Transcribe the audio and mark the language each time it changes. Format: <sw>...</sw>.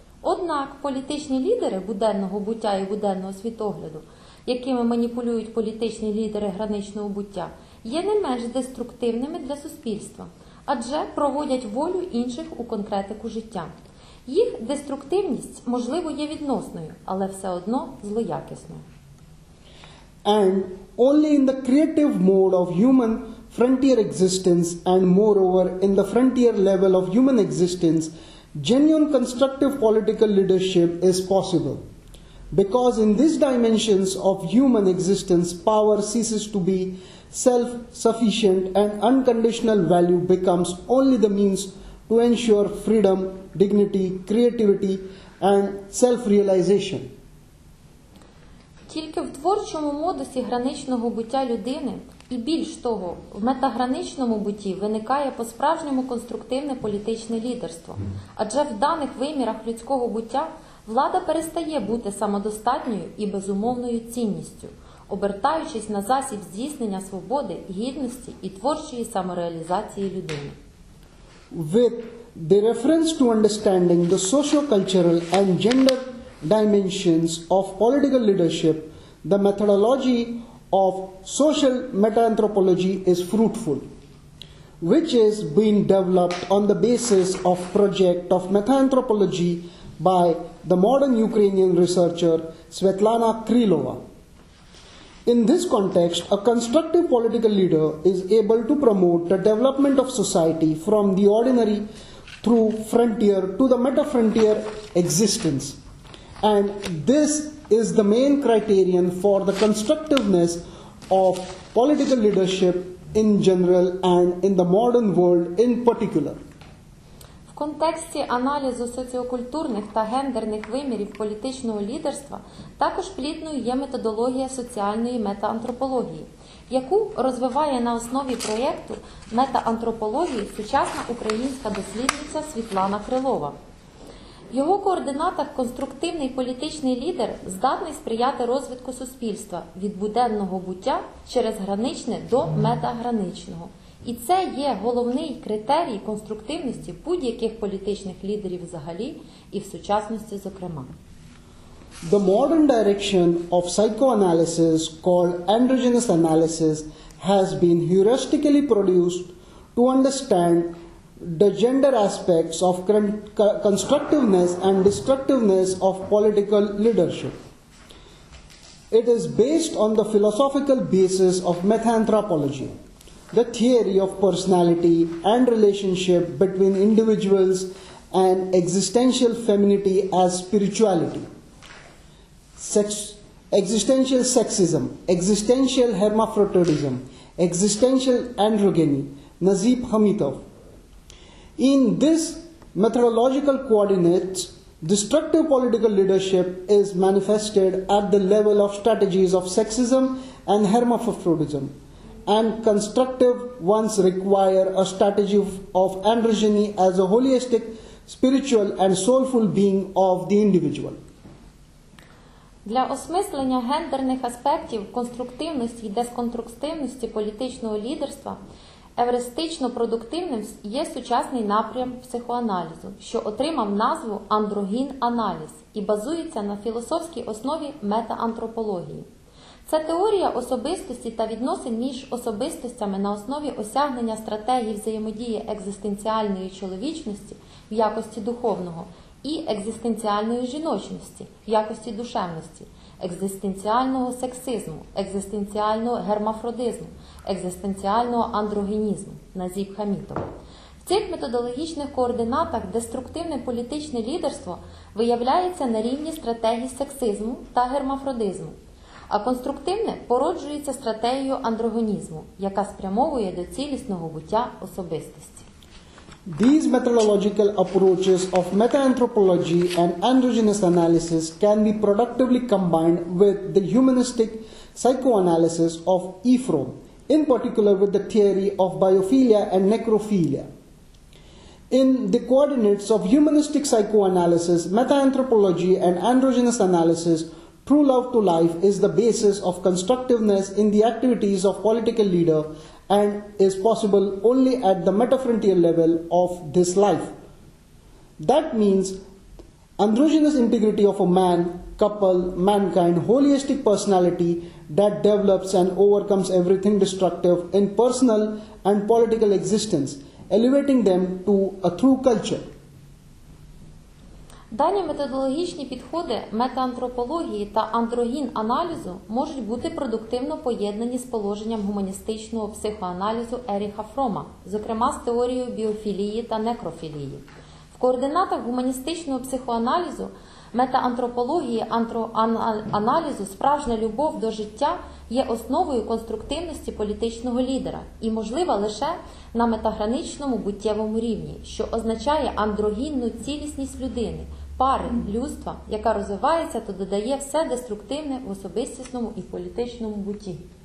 <uk>Однак політичні лідери буденного буття і буденного світогляду, якими маніпулюють політичні лідери граничного буття, є не менш деструктивними для суспільства – адже проводять волю інших у конкретику життя. Їх деструктивність, можливо, є відносною, але все одно злоякісною.</uk> <en>And only in the creative mode of human frontier existence and moreover in the frontier level of human existence, genuine constructive political leadership is possible. Because in these dimensions of human existence, power ceases to be self-sufficient and unconditional value becomes only the means to ensure freedom, dignity, creativity, and self-realization.</en> <uk>Тільки в творчому модусі граничного буття людини і більш того, в метаграничному бутті виникає по-справжньому конструктивне політичне лідерство. Адже в даних вимірах людського буття влада перестає бути самодостатньою і безумовною цінністю, обертаючись на засіб здійснення свободи, гідності і творчої самореалізації людини.</uk> <en>With the reference to understanding the socio-cultural and gender dimensions of political leadership, the methodology of social meta-anthropology is fruitful, which is being developed on the basis of project of meta-anthropology by the modern Ukrainian researcher Svetlana Krylova. In this context, a constructive political leader is able to promote the development of society from the ordinary through frontier to the meta-frontier existence. And this is the main criterion for the constructiveness of political leadership in general and in the modern world in particular.</en> <uk>В контексті аналізу соціокультурних та гендерних вимірів політичного лідерства також плідною є методологія соціальної метаантропології, яку розвиває на основі проєкту метаантропології сучасна українська дослідниця Світлана Крилова. В його координатах конструктивний політичний лідер здатний сприяти розвитку суспільства від буденного буття через граничне до метаграничного. І це є головний критерій конструктивності будь-яких політичних лідерів взагалі і в сучасності, зокрема.</uk> <en>The modern direction of psychoanalysis called androgynous analysis has been heuristically produced to understand the gender aspects of constructiveness and destructiveness of political leadership. It is based on the philosophical basis of meta-anthropology, the theory of personality and relationship between individuals and existential femininity as spirituality, existential sexism, existential hermaphroditism, existential androgyny, Nazib Hamitov. In this methodological coordinates, destructive political leadership is manifested at the level of strategies of sexism and hermaphroditism, and constructive ones require a strategy of androgyny as a holistic spiritual and soulful being of the individual.</en> <uk>Для осмислення гендерних аспектів конструктивності і десконструктивності політичного лідерства евристично-продуктивним є сучасний напрям психоаналізу, що отримав назву андрогін-аналіз і базується на філософській основі метаантропології. Це теорія особистості та відносин між особистостями на основі осягнення стратегії взаємодії екзистенціальної чоловічності в якості духовного і екзистенціальної жіночності в якості душевності, екзистенціального сексизму, екзистенціального гермафродизму, екзистенціального андрогенізму, Назіб Хамітов. В цих методологічних координатах деструктивне політичне лідерство виявляється на рівні стратегії сексизму та гермафродизму, а конструктивне породжується стратегією андрогенізму, яка спрямовує до цілісного буття особистості.</uk> <en>These methodological approaches of meta-anthropology and androgynous analysis can be productively combined with the humanistic psychoanalysis of Ephrom, in particular with the theory of biophilia and necrophilia. In the coordinates of humanistic psychoanalysis, meta-anthropology and androgynous analysis, true love to life is the basis of constructiveness in the activities of political leader and is possible only at the metafrontier level of this life. That means androgynous integrity of a man, couple, mankind, holistic personality that develops and overcomes everything destructive in personal and political existence, elevating them to a true culture.</en> <uk>Дані методологічні підходи метаантропології та андрогін-аналізу можуть бути продуктивно поєднані з положенням гуманістичного психоаналізу Еріха Фрома, зокрема з теорією біофілії та некрофілії. В координатах гуманістичного психоаналізу, метаантропології, аналізу справжня любов до життя є основою конструктивності політичного лідера і можлива лише на метаграничному буттєвому рівні, що означає андрогінну цілісність людини – пари, людства, яка розвивається та додає все деструктивне в особистісному і політичному буті.</uk>